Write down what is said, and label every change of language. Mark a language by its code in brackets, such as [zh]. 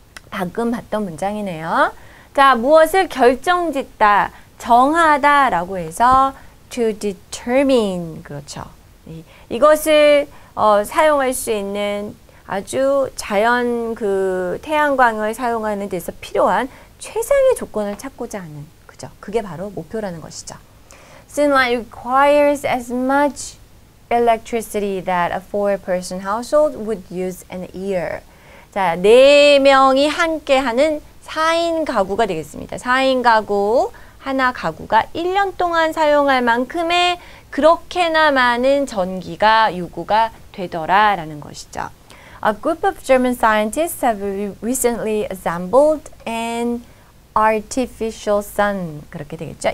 [ko] 방금 봤던 문장이네요. 자, 무엇을 결정짓다, 정하다 라고 해서 [en] to determine, [ko] 그렇죠. 이것을 사용할 수 있는 아주 자연 그 태양광을 사용하는 데서 필요한 최상의 조건을 찾고자 하는, 그죠. 그게 바로 목표라는 것이죠. [en] Sunlight requires as much electricity that a 4-person household would use in a year. [ko] 자, 네 명이 함께 하는 4인 가구가 되겠습니다. 4인 가구, 하나 가구가 1년 동안 사용할 만큼의 그렇게나 많은 전기가 요구가 되더라라는 것이죠. [en] A group of German scientists have recently assembled an artificial sun. [ko] 그렇게 되겠죠.